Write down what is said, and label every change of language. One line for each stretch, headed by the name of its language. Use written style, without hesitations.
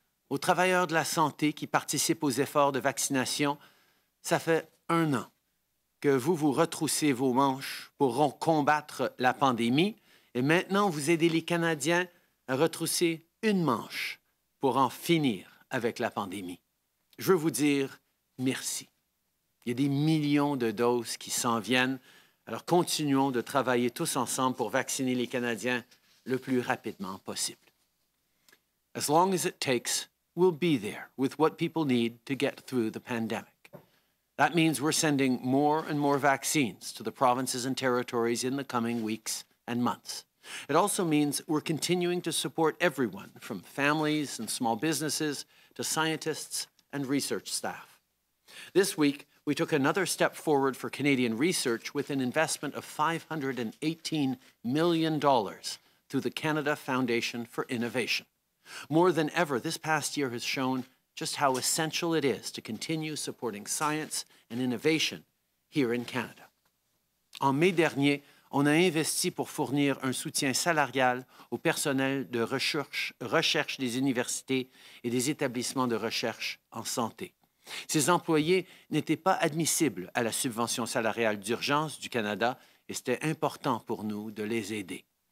French: Aux travailleurs de la santé qui participent aux efforts de vaccination, ça fait un an que vous vous retroussez vos manches pour combattre la pandémie et maintenant vous aidez les Canadiens à retrousser une manche pour en finir avec la pandémie. Je veux vous dire merci. Il y a des millions de doses qui s'en viennent, alors continuons de travailler tous ensemble pour vacciner les Canadiens le plus rapidement possible.
English: As long as it takes, we'll be there with what people need to get through the pandemic. That means we're sending more and more vaccines to the provinces and territories in the coming weeks and months. It also means we're continuing to support everyone from families and small businesses to scientists and research staff. This week, we took another step forward for Canadian research with an investment of $518 million through the Canada Foundation for Innovation. More than ever, this past year has shown just how essential it is to continue supporting science and innovation here in Canada.
French: En mai dernier, on a investi pour fournir un soutien salarial au personnel de recherche des universités et des établissements de recherche en santé. Ces employés n'étaient pas admissibles à la subvention salariale d'urgence du Canada et c'était important pour nous de les aider.